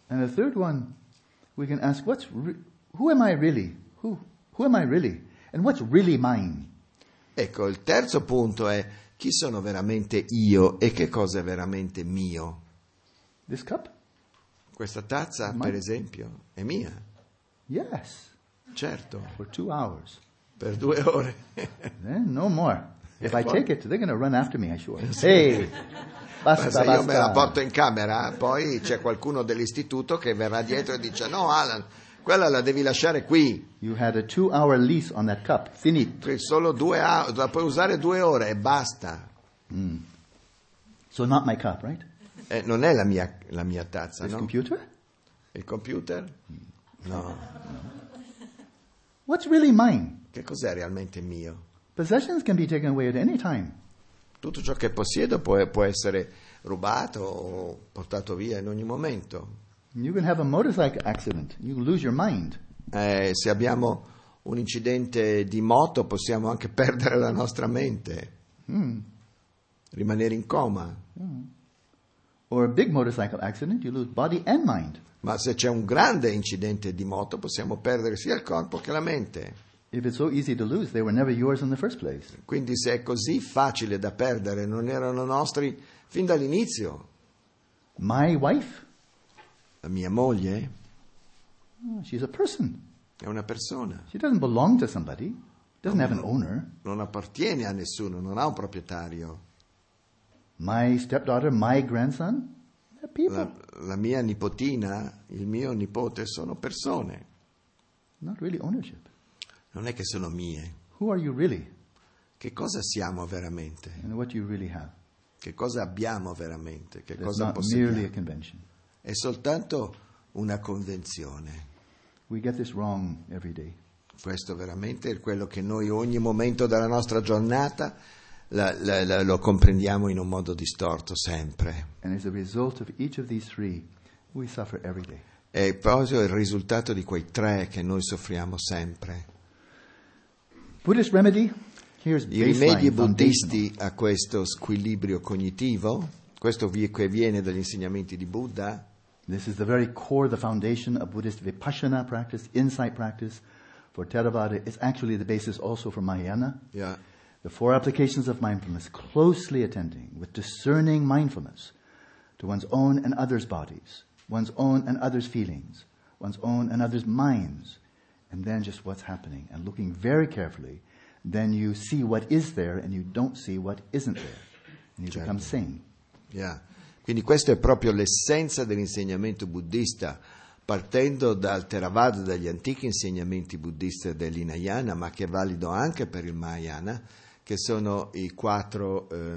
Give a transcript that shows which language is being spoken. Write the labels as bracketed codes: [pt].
[en] And the third one, we can ask, who am I really? Who am I really? And what's really mine? [it] Ecco, il terzo punto è chi sono veramente io e che cosa è veramente mio? [en] This cup? [it] Questa tazza, per esempio, è mia. [en] Yes. [it] Certo. [en] For 2 hours. [it] Per 2 ore. [en] Then no more. If I take it, they're going to run after me, I'm sure. Hey, basta, [it] basta. Se io me la porto in camera, poi c'è qualcuno dell'istituto che verrà dietro e dice, no, Alan, quella la devi lasciare qui. [en] You had a 2 hour lease on that cup. [it] Finito. Solo 2 ore, la puoi usare 2 ore e basta. [en] Mm. So not my cup, right? [it] Non è la mia tazza, [en] this [it] no? Il computer? Il computer? No. [en] What's really mine? [it] Che cos'è realmente mio? [en] Possessions can be taken away at any time. [it] Tutto ciò che possiedo può essere rubato o portato via in ogni momento. [en] You can have a motorcycle accident. You can lose your mind. [it] Se abbiamo un incidente di moto, possiamo anche perdere la nostra mente. Rimanere in coma. [en] Or a big motorcycle accident, you lose body and mind. [it] Ma se c'è un grande incidente di moto, possiamo perdere sia il corpo che la mente. [en] If it's so easy to lose, they were never yours in the first place. [it] Quindi se è così facile da perdere, non erano nostri fin dall'inizio. [en] My wife? [it] La mia moglie? [en] She's a person. [it] È una persona. [en] She doesn't belong to somebody. Doesn't have an owner. [it] Non appartiene a nessuno, non ha un proprietario. [en] My stepdaughter, my grandson? They're people. [it] La mia nipotina, il mio nipote sono persone. [en] Not really ownership. [it] Non è che sono mie. [en] Who are you really? [it] Che cosa siamo veramente? [en] And what you really have. [it] Che cosa abbiamo veramente? Che [en] That's [it] cosa [en] not [it] possediamo? [en] Merely a convention. [it] È soltanto una convenzione. [en] We get this wrong every day. [it] Questo veramente è quello che noi ogni momento della nostra giornata lo comprendiamo in un modo distorto sempre. [en] And as a result of each of these three, we suffer every day. [it] È proprio il risultato di quei tre che noi soffriamo sempre. [en] Buddhist remedy? Here's [it] I rimedi buddhisti a questo squilibrio cognitivo, questo che viene dagli insegnamenti di Buddha. [en] This is the very core, the foundation of Buddhist vipassana practice, insight practice for Theravada. It's actually the basis also for Mahayana. Yeah. The four applications of mindfulness, closely attending with discerning mindfulness to one's own and others' bodies, one's own and others' feelings, one's own and others' minds, and then just what's happening and looking very carefully, then you see what is there and you don't see what isn't there. and you become sane. Yeah. [it] Quindi questo è proprio l'essenza dell'insegnamento buddista, partendo dal Theravada, dagli antichi insegnamenti buddisti dell'Hinayana, ma che è valido anche per il Mahayana, che sono i quattro,